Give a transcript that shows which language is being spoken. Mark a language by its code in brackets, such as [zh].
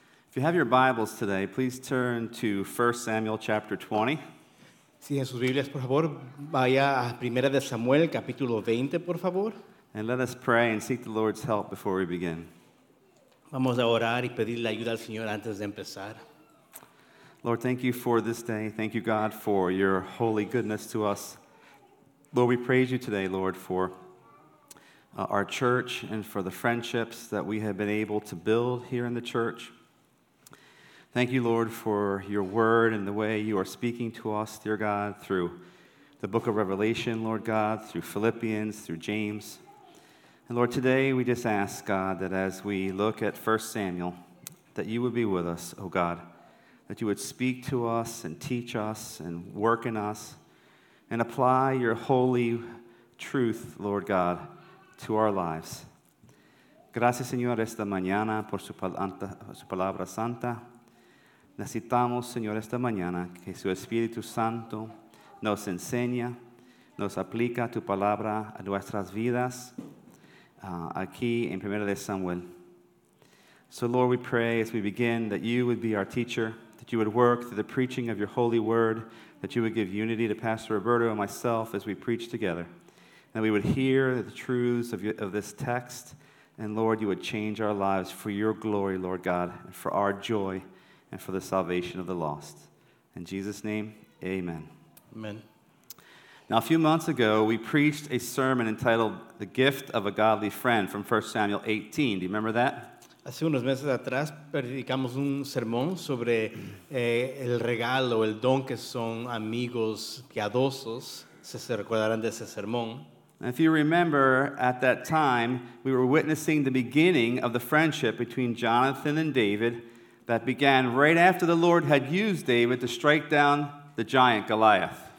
[en] If you have your Bibles today, please turn to 1 Samuel chapter 20. [es] Si en sus Biblias, por favor, vaya a Primera de Samuel capítulo 20, por favor. [en] And let us pray and seek the Lord's help before we begin. [es] Vamos a orar y pedirle ayuda al Señor antes de empezar. [en] Lord, thank you for this day. Thank you, God, for your holy goodness to us. Lord, we praise you today, Lord, for our church and for the friendships that we have been able to build here in the church. Thank you, Lord, for your word and the way you are speaking to us, dear God, through the book of Revelation, Lord God, through Philippians, through James. And Lord, today we just ask, God, that as we look at 1 Samuel, that you would be with us, O God, that you would speak to us and teach us and work in us and apply your holy truth, Lord God, to our lives. [es] Gracias, Señor, esta mañana por su palabra santa. Necesitamos, Señor, esta mañana que su Espíritu Santo nos enseña, nos aplica tu palabra a nuestras vidas aquí en Primera de Samuel. [en] So, Lord, we pray as we begin that you would be our teacher, that you would work through the preaching of your holy word, that you would give unity to Pastor Roberto and myself as we preach together, and that we would hear the truths of this text, and, Lord, you would change our lives for your glory, Lord God, and for our joy, and for the salvation of the lost. In Jesus' name, amen. Amen. Now, a few months ago, we preached a sermon entitled The Gift of a Godly Friend from 1 Samuel 18. Do you remember that? [es] Hace unos meses atrás, predicamos un sermón sobre el regalo, el don que son amigos piadosos. ¿Se recordarán de ese sermón? [en] And if you remember, at that time, we were witnessing the beginning of the friendship between Jonathan and David, that began right after the Lord had used David to strike down the giant Goliath.